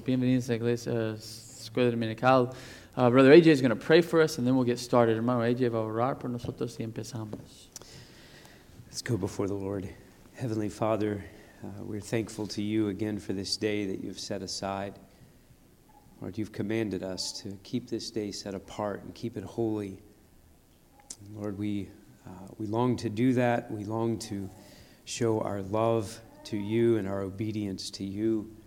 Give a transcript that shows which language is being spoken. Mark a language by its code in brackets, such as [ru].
[es] Bienvenidos a la iglesia, Escuela Dominical. [en] Brother AJ is going to pray for us, and then we'll get started. [es] Hermano AJ va a orar por nosotros y empezamos. [en] Let's go before the Lord. Heavenly Father, we're thankful to you again for this day that you've set aside. Lord, you've commanded us to keep this day set apart and keep it holy. Lord, we long to do that. We long to show our love to you and our obedience to you.